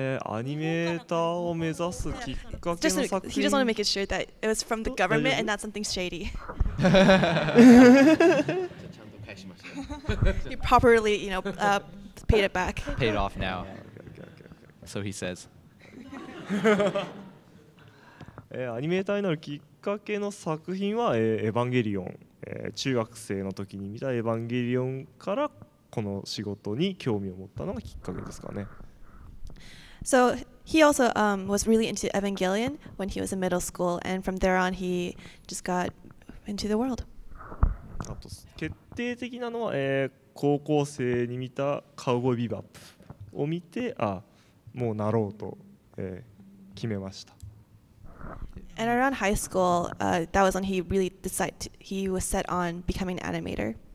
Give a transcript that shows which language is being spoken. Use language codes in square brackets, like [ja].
[ja] アニメーターを目指すきっかけの作品。 [en] Just, he just wanted to make it sure that it was from the government and not something shady. He properly, paid it back. Paid off now. So he says. [ja] アニメーターになるきっかけの作品は、エヴァンゲリオン。中学生の時に見たエヴァンゲリオンからこの仕事に興味を持ったのがきっかけですかね。 [en] So he also was really into Evangelion when he was in middle school, and from there on he just got into the world. [ja] あと決定的なのは、高校生に見たカウボーイビバップを見て、あ、もうなろうと、決めました。 [en] And around high school, that was when he really decided he was set on becoming an animator.